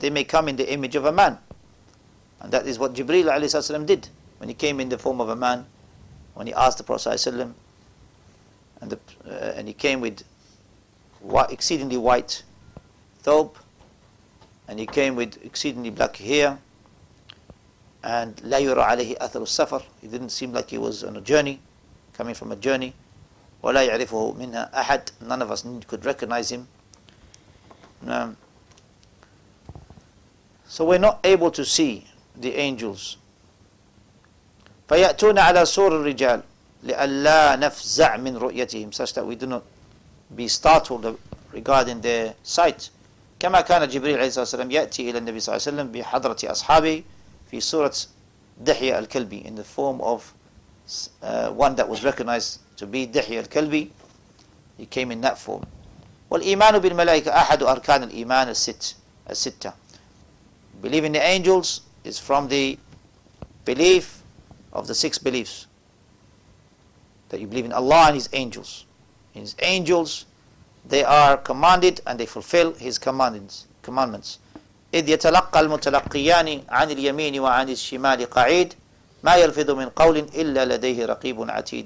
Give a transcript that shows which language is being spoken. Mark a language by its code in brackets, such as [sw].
[en] They may come in the image of a man, and that is what Jibreel [ar] عليه الصلاة والسلام [en] did when he came in the form of a man, when he asked the Prophet [ar] صلى الله عليه وسلم, [en] and he came with exceedingly white thobe. And he came with exceedingly black hair. [ar] And لا يرى عليه أثر السفر. [en] He didn't seem like he was on a journey, coming from a journey. [ar] ولا يعرفه منها أحد. [en] None of us could recognize him. So we're not able to see the angels. [ar] فيأتون على صور الرجال لألا نفزع من رؤيتهم, [en] such that we do not be startled regarding their sight. [ar] كما كان جبريل عليه الصلاة والسلام يأتي إلى النبي صلى الله عليه وسلم بحضرة أصحابه في سورة دحية الكلبي, [en] in the form of one that was recognized to be [ar] دحية الكلبي. [en] He came in that form. [ar] والإيمان بالملائكة أحد أركان الإيمان الستة. [en] Believing in the angels is from the belief of the six beliefs, that you believe in Allah and His angels. His angels, they are commanded and they fulfill his commandments. [ar] إِذْ يَتَلَقَّى الْمُتَلَقِّيَانِ عَنِ الْيَمِينِ وَعَنِ الشِّمَالِ قَعِيدٍ مَا يَلْفِظُ مِنْ قَوْلٍ إِلَّا لَدَيْهِ رَقِيبٌ عَتِيدٌ.